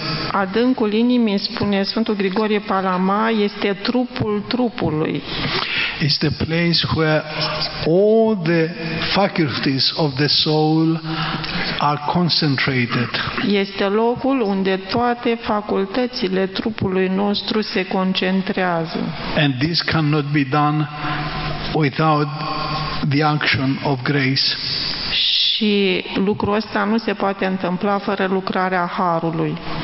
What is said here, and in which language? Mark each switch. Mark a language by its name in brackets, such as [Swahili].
[Romanian] Adâncul inimii, spune Sfântul Grigorie Palama, este trupul trupului. [English] It's the place where all the faculties of the soul are concentrated. [Romanian] Este locul unde toate facultățile trupului nostru se concentrează. [English] And this cannot be done without the action of grace. [Romanian] Și lucrul ăsta nu se poate întâmpla fără lucrarea harului.